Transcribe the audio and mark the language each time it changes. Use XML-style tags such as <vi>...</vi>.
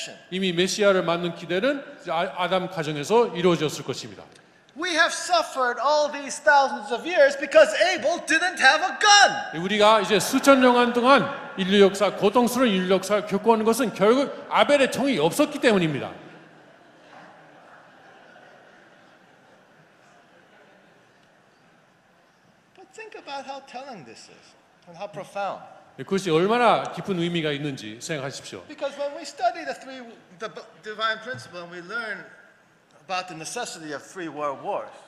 <ko>이미 메시아를 맞는 기대는 아담 가정에서 이루어졌을 것입니다.</ko> <en>We have suffered all these thousands of years because Abel didn't have a gun.</en> <ko>우리가 이제 수천 년 동안 인류 역사 고통스러운 인류 역사를 겪어온 것은 결국 아벨의 총이 없었기 때문입니다.</ko> <en>But think about how telling this is and how profound.</en> <ko>그것이 얼마나 깊은 의미가 있는지 생각하십시오.</ko> <en>Because when we study the three the divine principle and we learn about the necessity of three world wars.</en>